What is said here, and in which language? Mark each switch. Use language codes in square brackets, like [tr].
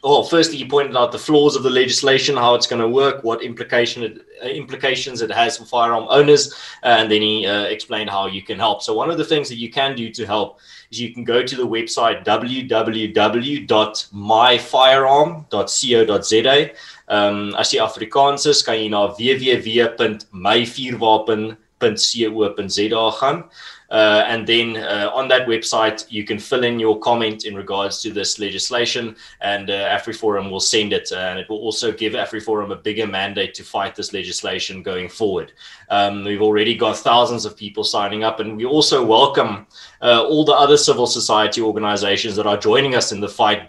[en] firstly, he pointed out the flaws of the legislation, how it's going to work, what implications it has for firearm owners, and then he explained how you can help. So one of the things that you can do to help is you can go to the website www.myfirearm.co.za. [af] As die Afrikaans is, kan jy na www.myvuurwapen.co.za gaan. [en] And then on that website, you can fill in your comment in regards to this legislation, and AfriForum will send it. And it will also give AfriForum a bigger mandate to fight this legislation going forward. We've already got thousands of people signing up, and we also welcome all the other civil society organizations that are joining us in the fight.